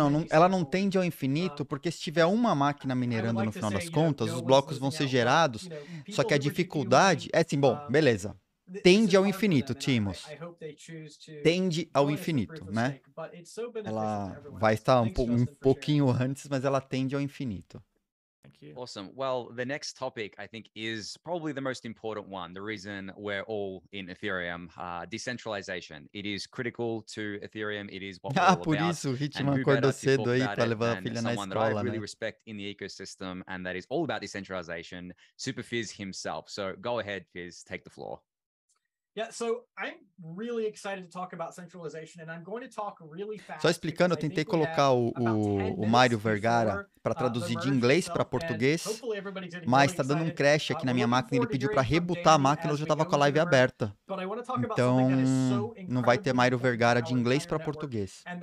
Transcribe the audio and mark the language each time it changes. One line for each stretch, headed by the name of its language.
Portuguese: Ela não tende ao infinito, porque se tiver uma máquina minerando no final das contas, os blocos vão ser gerados. Só que a dificuldade... É assim, bom, beleza. Tende ao infinito, Timos. Tende ao infinito, né? Ela vai estar um pouquinho antes, mas ela tende ao infinito.
English: Awesome. Well, the next topic, I think, is probably the most important one, the reason we're all in Ethereum, decentralization. It is critical to Ethereum. It is what we're all about.
Portuguese: Ah, por isso, o Hitman acordou cedo aí para levar a filha na escola, né?
English: And someone that I really respect in the ecosystem and that is all about decentralization, Superfizz himself. So go ahead, Fizz, take the floor. Yeah, so I'm really excited to talk about centralization and I'm going to talk really fast.
Portuguese: Só explicando, eu tentei colocar o Mário Vergara para traduzir de inglês para português, mas tá dando um crash aqui na minha máquina, ele pediu para rebootar a máquina, eu já tava com a live aberta. Então, não vai ter Mário Vergara de inglês para português.